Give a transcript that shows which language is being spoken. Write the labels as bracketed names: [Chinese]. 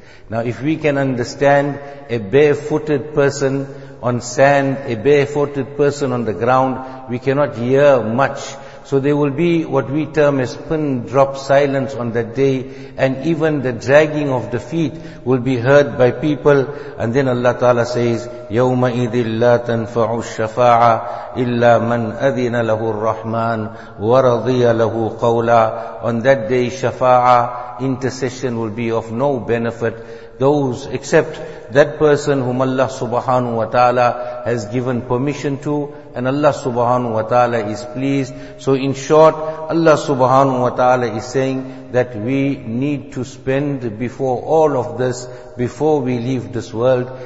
[English] Now if we can understand a barefooted person on sand, a barefooted person on the ground, we cannot hear much. So there will be what we term as pin drop silence on that day, and even the dragging of the feet will be heard by people. [Arabic] And then Allah Ta'ala says, يَوْمَ إِذِ اللَّا تَنْفَعُ الشَّفَاعَةَ إِلَّا مَنْ أَذِنَ لَهُ الرَّحْمَانُ وَرَضِيَ لَهُ قَوْلًا. [English] On that day, shafa'ah, intercession will be of no benefit. Those, except that person whom Allah subhanahu wa ta'ala has given permission to, and Allah subhanahu wa ta'ala is pleased. So in short, Allah subhanahu wa ta'ala is saying that we need to spend before all of this, before we leave this world.